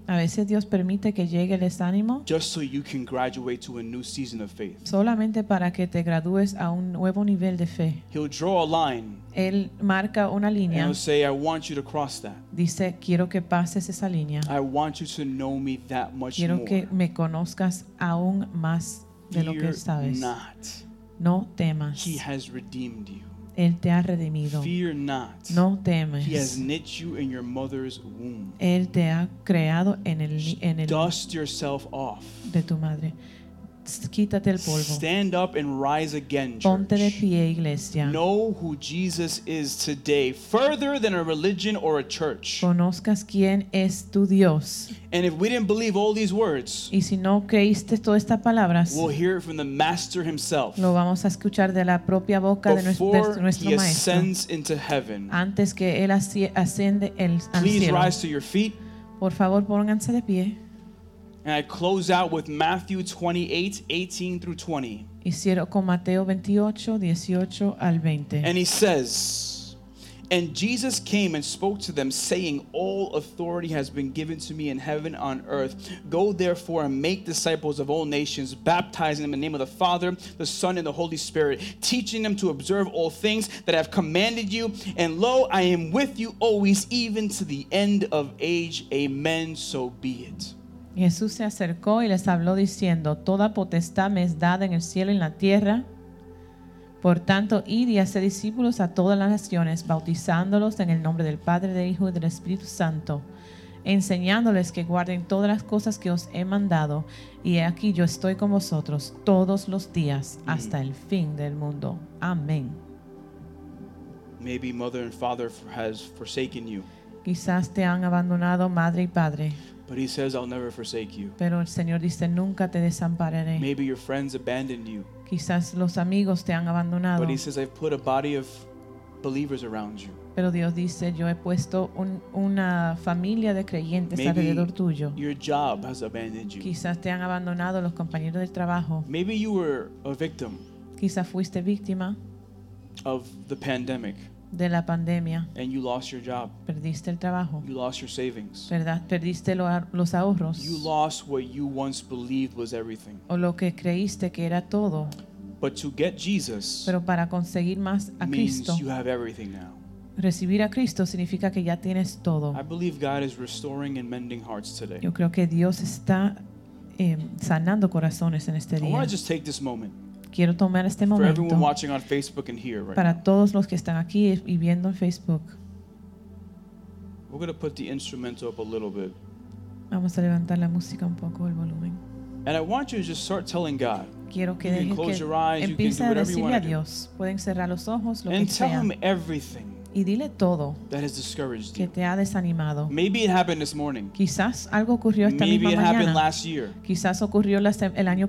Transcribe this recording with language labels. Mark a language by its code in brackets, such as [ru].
[es] A veces Dios permite que llegue el desánimo. [en] Just so you can graduate to a new season of faith. [es] Solamente para que te gradúes a un nuevo nivel de fe. [en] He'll draw a line. [es] Él marca una línea. [en] And he'll say, I want you to cross that. [es] Dice, quiero que pases esa línea. [en] I want you to know me that much. [es] Quiero [en] more. [es] Que me conozcas aún más de lo que sabes. [en] Not. [es] No temas. [en] He has redeemed you. [es] Él te ha redimido. [en] Fear not. [es] No temas. [en] He has knit you in your mother's womb. [es] Él te ha creado en el [en] dust yourself off. [es] De tu madre. Quítate el polvo. [en] Stand up and rise again, church. [es] Ponte de pie, iglesia. [en] Know who Jesus is today, further than a religion or a church. [es] Conozcas quién es tu Dios. [en] And if we didn't believe all these words, [es] y si no creíste todas estas palabras, [en] we'll hear it from the Master himself. [es] Lo vamos a escuchar de la propia boca de nuestro Maestro. [en] Before he ascends into heaven, [es] antes que él asciende al cielo. [en] Please rise to your feet. [es] Por favor, pónganse de pie. [en] And I close out with Matthew 28, 18 through 20. [es] Hicieron con Mateo 28, 18 al 20. [en] And he says, and Jesus came and spoke to them, saying, all authority has been given to me in heaven and on earth. Go therefore and make disciples of all nations, baptizing them in the name of the Father, the Son, and the Holy Spirit, teaching them to observe all things that I have commanded you. And lo, I am with you always, even to the end of age. Amen. So be it. [es] Jesús se acercó y les habló diciendo, toda potestad me es dada en el cielo y en la tierra. Por tanto, id y haced discípulos a todas las naciones, bautizándolos en el nombre del Padre, del Hijo y del Espíritu Santo, enseñándoles que guarden todas las cosas que os he mandado. Y he aquí, yo estoy con vosotros todos los días hasta el fin del mundo. Amén. [en] Maybe mother and father has forsaken you. [es] Quizás te han abandonado, madre y padre. [en] But he says, I'll never forsake you. [es] Pero el Señor dice, nunca te desampararé. [en] Maybe your friends abandoned you. [es] Quizás los amigos te han abandonado. [en] But he says, I've put a body of believers around you. [es] Pero Dios dice, yo he puesto una familia de creyentes [en] maybe [es] alrededor tuyo. [en] Your job has abandoned you. [es] Quizás te han abandonado los compañeros del trabajo. [en] Maybe you were a victim. [es] Quizás fuiste víctima [en] of the pandemic. [es] De la pandemia. [en] And you lost your job. [es] Perdiste el trabajo. [en] You lost your savings. [es] Perdiste los ahorros. [en] You lost what you once believed was everything. [es] O lo que creíste que era todo. [en] But to get Jesus, [es] pero para conseguir más a [en] means [es] Cristo, [en] you have everything now. [es] Recibir a Cristo significa que ya tienes todo. [en] I believe God is restoring and mending hearts today. [es] Yo creo que Dios está sanando corazones en este día. [en] I want to just take this moment. [es] Quiero tomar este [en] for [es] momento. [en] For everyone watching on Facebook and here, right? [es] Para [en] now. [es] Todos los que están aquí y viendo en Facebook. [en] We're going to put the instrumental up a little bit. [es] Vamos a levantar la música un poco el volumen. [en] And I want you to just start telling God. [es] Quiero que [en] you can close [es] que [en] your eyes. You can do whatever you want to do. [es] Pueden cerrar los ojos, lo [en] and tell [es] sea. [en] Him everything. [es] Y dile todo [en] that has discouraged [es] que te ha desanimado. [en] Maybe it happened this morning. [es] Quizás algo ocurrió esta [en] Maybe [es] misma [en] it [es] mañana. [en] Happened last year. [es] Quizás ocurrió el año